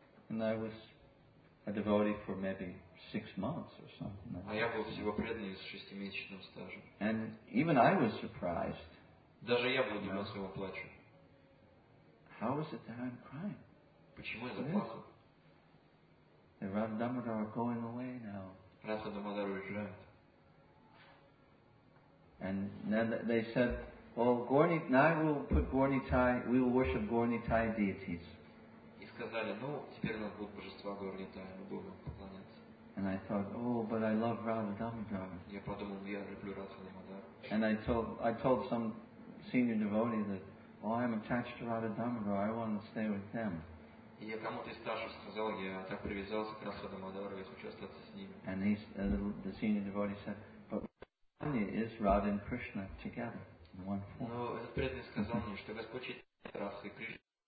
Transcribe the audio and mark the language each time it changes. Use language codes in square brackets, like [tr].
[en] And I was a devotee for maybe 6 months or something. [ru] А я был всего преданный с шестимесячным стажем. [en] And even I was surprised. [ru] Даже я был удивлен своему плачу. [en] How is it that I'm crying? [ru] Почему я заплакал? [en] The Radha Damodara are going away now. [ru] Радха Дамодара уезжает. [en] And then they said, "Well, we will worship Gornitai deities." [ru] Сказали, ну, теперь у нас будут божества Горни Тай, мы будем поклоняться. [en] And I thought, oh, but I love Radha Damodara. [ru] Я подумал, я люблю Радху Дамодару. [en] And I told some senior devotee that, oh, I'm attached to Radha Damodara, I want to stay with them. [ru] И я кому-то из старших сказал, я так привязался к Радху Дамодару, я хочу остаться с ними. [en] And the senior devotee said, but Radha is Radha and Krishna together in one form. [ru] Но этот преданный сказал мне, что Господь читает Радху и Кришну.